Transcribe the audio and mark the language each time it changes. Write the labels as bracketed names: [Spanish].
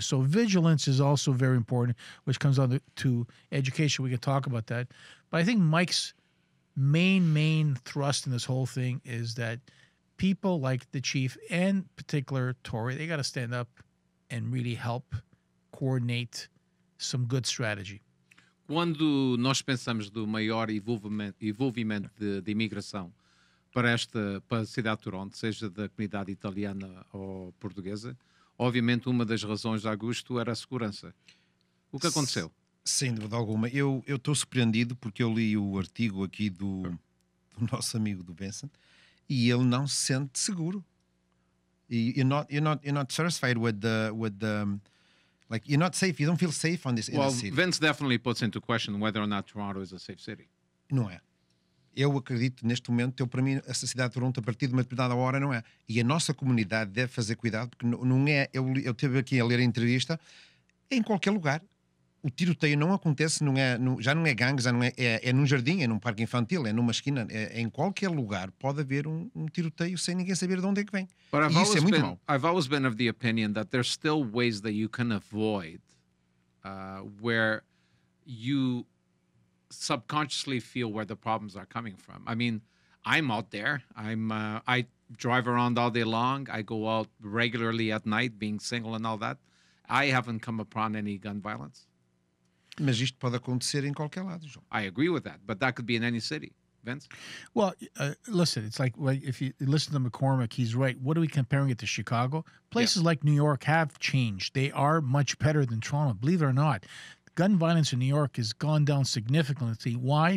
[English] So vigilance is also very important, which comes on to education. We could talk about that. But I think Mike's main thrust in this whole thing is that people like the chief and particular Tory, they got to stand up and really help coordinate some good strategy. [Portuguese] Quando nós pensamos do maior envolvimento de imigração para a cidade de Toronto, seja da comunidade italiana ou portuguesa, obviamente uma das razões de Augusto era a segurança. O que aconteceu? Sem dúvida alguma. Eu estou surpreendido porque eu li o artigo aqui do nosso amigo do Benson e ele não se sente seguro. [English] You're not satisfied you're not safe. You don't feel safe on this inner city. Well, Vince definitely puts into question whether or not Toronto is a safe city. [Portuguese] Não é. Eu acredito neste momento, para mim, essa cidade de Toronto, a partir de uma determinada hora, não é. E a nossa comunidade deve fazer cuidado, porque não é. Eu estive aqui a ler a entrevista, em qualquer lugar. O tiroteio não acontece, não é, não, já não é gangue, já não é, é num jardim, é num parque infantil, é numa esquina, em qualquer lugar pode haver um tiroteio sem ninguém saber de onde é que vem. [English] But I've always been, of the opinion that there's still ways that you can avoid where you subconsciously feel where the problems are coming from. I mean, I'm out there, I drive around all day long, I go out regularly at night, being single and all that. I haven't come upon any gun violence. [Portuguese] Mas isto pode acontecer em qualquer lado, João. [English] I agree with that, but that could be in any city. Vince? Well, listen, it's like if you listen to McCormick, he's right. What are we comparing it to, Chicago? Places like New York have changed. They are much better than Toronto, believe it or not. Gun violence in New York has gone down significantly. Why?